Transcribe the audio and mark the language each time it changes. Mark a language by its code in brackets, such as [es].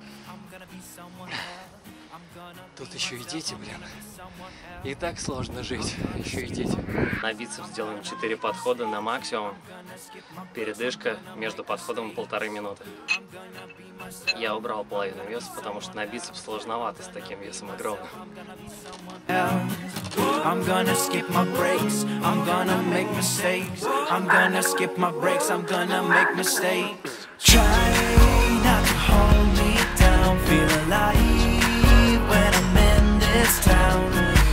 [en] I'm gonna be someone else. [ru] Тут еще и дети, блин. И так сложно жить, еще и дети. На бицепс делаем 4 подхода на максимум. Передышка между подходом 1.5 минуты. Я убрал половину веса, потому что на бицепс сложновато с таким весом огромным. [en] I'm gonna skip my breaks, I'm gonna make mistakes. I'm gonna skip my breaks, I'm gonna make mistakes. Try not to hold me down, feel alive when I'm in this town.